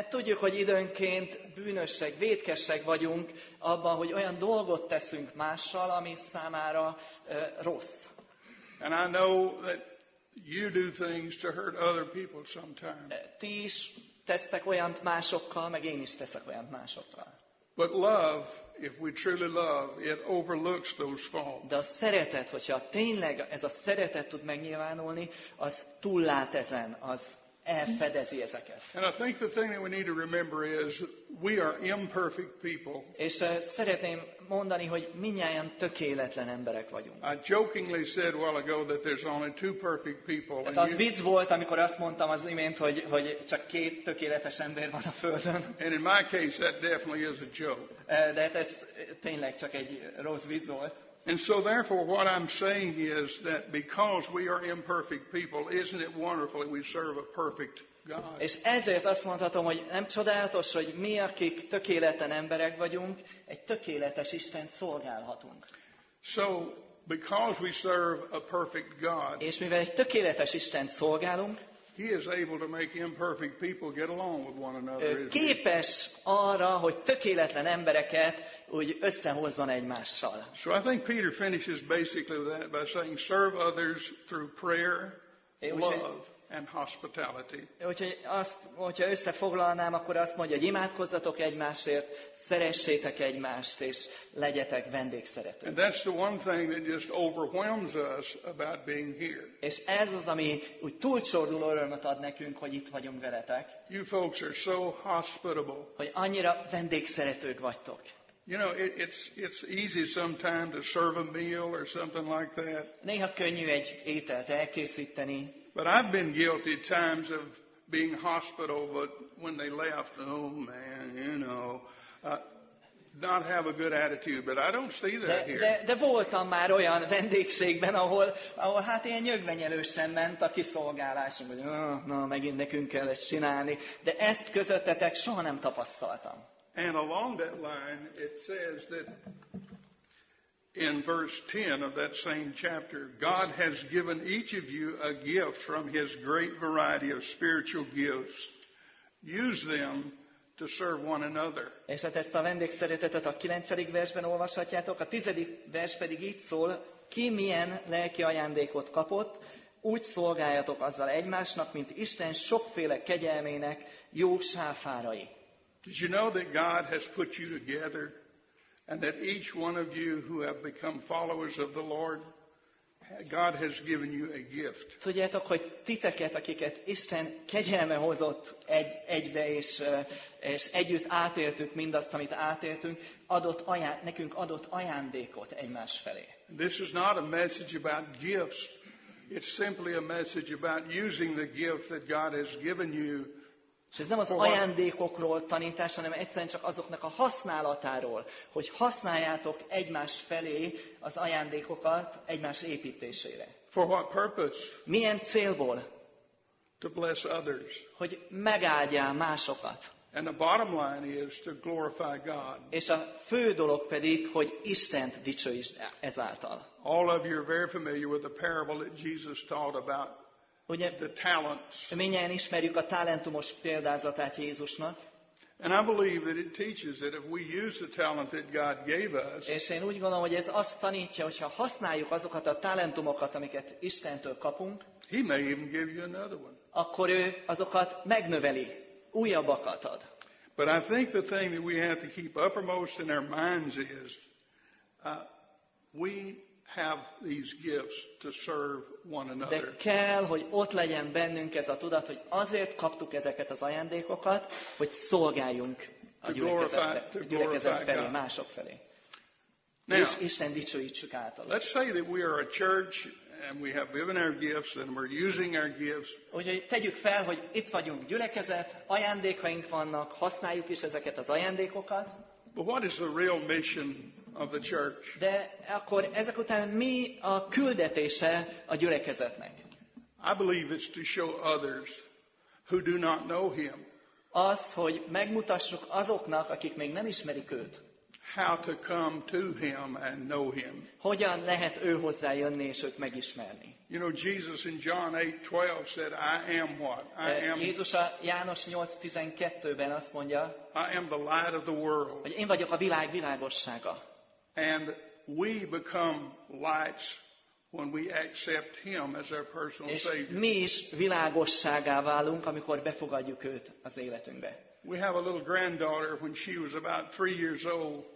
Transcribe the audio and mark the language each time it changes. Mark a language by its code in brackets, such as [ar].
[hu] Tudjuk, hogy időnként bűnösek, vétkesek vagyunk abban, hogy olyan dolgot teszünk mással, ami számára rossz. [en] And I know that you do things to hurt other people sometimes. [hu] Ti is tesztek olyant másokkal, meg én is teszek olyant másokkal. [en] But love, if we truly love, it overlooks those faults. [hu] De a szeretet, hogyha tényleg ez a szeretet tud megnyilvánulni, az túllát ezen, az elfedezi ezeket. [en] And I think the thing that we need to remember is we are imperfect people. [hu] És szeretném mondani, hogy mindnyájan tökéletlen emberek vagyunk. [en] I jokingly said a while ago that there's only two perfect people. [hu] Tehát az vicc volt, amikor azt mondtam az imént, hogy csak két tökéletes ember van a Földön. [en] And in my case, that definitely is a joke. [hu] De ez tényleg csak egy rossz vicc volt. [en] And so therefore what I'm saying is that because we are imperfect people, isn't it wonderful that we serve a perfect God? [hu] És ezért azt mondhatom, hogy nem csodálatos, hogy mi, akik tökéletlen emberek vagyunk, egy tökéletes Istent szolgálhatunk. [en] So because we serve a perfect God, [hu] és mivel egy tökéletes Istent szolgálunk, [en] He is able to make imperfect people get along with one another. [hu] Képes arra, hogy tökéletlen embereket úgy összehozzon egymással. [en] So I think Peter finishes basically with that by saying serve others through prayer, love and hospitality. [hu] Hogyha összefoglalnám, akkor azt mondja, hogy imádkozzatok egymásért, szeressétek egymást és legyetek vendégszeretők. [en] And that's the one thing that just overwhelms us about being here. [hu] És ez az, ami úgy túlcsordul örömet ad nekünk, hogy itt vagyunk veletek. [en] You folks are so hospitable. [hu] Hogy annyira vendégszeretők vagytok. [en] You know, it's easy sometimes to serve a meal or something like that. [hu] Néha könnyű egy ételt elkészíteni. [en] But I've been guilty times of being hospitable, but when they left, oh man, you know. Not have a good attitude, but I don't see that here. [hu] De voltam már olyan vendégségben, ahol hát ilyen nyögvenyelősen ment a kiszolgálásunk, hogy megint nekünk kell ezt csinálni, de ezt közöttetek soha nem tapasztaltam. [en] And along that line, it says that in verse 10 of that same chapter, God has given each of you a gift from His great variety of spiritual gifts. Use them to serve one another. [hu] És hát ezt a vendégszeretetet a 9. versben olvashatjátok, a 10. vers pedig így szól, ki milyen lelki ajándékot kapott, úgy szolgáljatok azzal egymásnak, mint Isten sokféle kegyelmének jó sáfárai. [en] Did you know that God has put you together and that each one of you who have become followers of the Lord, God has given you a gift. [hu] Tudjátok, hogy titeket, akiket Isten kegyelme hozott egybe, és együtt átéltük mindazt, amit átéltünk, nekünk adott ajándékot egymás felé. [en] This is not a message about gifts. It's simply a message about using the gift that God has given you. [hu] És ez nem az ajándékokról tanítás, hanem egyszerűen csak azoknak a használatáról, hogy használjátok egymás felé az ajándékokat egymás építésére. [en] For what purpose? [hu] Milyen célból? [en] To bless others. [hu] Hogy megáldjál másokat. [en] And the bottom line is to glorify God. [hu] És a fő dolog pedig, hogy Istent dicsőítsd ezáltal. [en] All of you are very familiar with the parable that Jesus taught about. [hu] Ugye, mindjárt ismerjük a talentumos példázatát Jézusnak. [en] And I believe that it teaches that if we use the talent that God gave us. [hu] És én úgy gondolom, hogy ez azt tanítja, hogyha használjuk azokat a talentumokat, amiket Istentől kapunk. [en] He may even give you another one. [hu] Akkor ő azokat megnöveli, újabbakat ad. [en] But I think the thing that we have to keep uppermost in our minds is we have these gifts to serve one another. [hu] De kell, hogy ott legyen bennünk ez a tudat, hogy azért kaptuk ezeket az ajándékokat, hogy szolgáljunk a gyülekezet felé, mások felé. [en] Now, [hu] és Isten dicsőítsük általuk. [en] Let's say that we are a church and we have given our gifts and we're using our gifts. [hu] Úgyhogy tegyük fel, hogy itt vagyunk gyülekezet, ajándékaink vannak, használjuk is ezeket az ajándékokat. [en] But what is the real mission of the church? [hu] De akkor ezek után mi a küldetése a gyülekezetnek? [en] I believe it's to show others who do not know him. [hu] Az, hogy megmutassuk azoknak, akik még nem ismerik őt. [en] How to come to him and know him. [hu] Hogyan lehet ő hozzá jönni és őt megismerni? [en] You know, Jesus in John 8:12 said, I am what? I am. [hu] Jézus a János 8:12-ben azt mondja, [en] I am the light of the world. [hu] Hogy én vagyok a világ világossága. [en] And we become lights when we accept him as our personal savior. [hu] Mi is világossággá válunk, amikor befogadjuk őt az életünkbe. [en] We have a little granddaughter when she was about 3 years old.